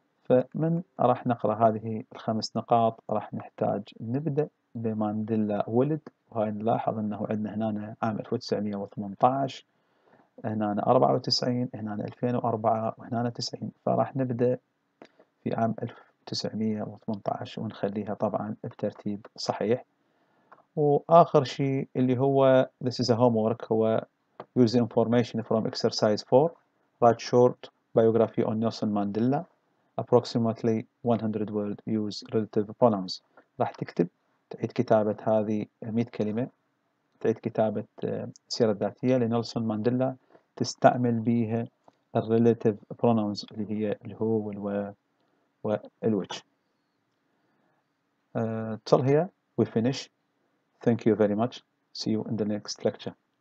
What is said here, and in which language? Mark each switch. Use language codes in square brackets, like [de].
[ar] فمن راح نقرا هذه الخمس نقاط راح نحتاج نبدا بمانديلا ولد وهي نلاحظ انه عندنا هنا عام 1918 هنا 94 هنا 2004 وهنا 90 فراح نبدأ في عام 1918 ونخليها طبعا بترتيب صحيح. وآخر شيء اللي هو [en] this is a homework [ar] هو [en] use the information from exercise 4 write short biography on Nelson Mandela approximately 100 words use relative pronouns. [ar] راح تكتب تعيد كتابة هذه 100 كلمة تعيد كتابة السيرة الذاتية لنيلسون مانديلا تستعمل بيها الـ relative pronouns اللي هي الـ who والـ where والـ which. [en] Till here, we finish. Thank you very much. See you in the next lecture.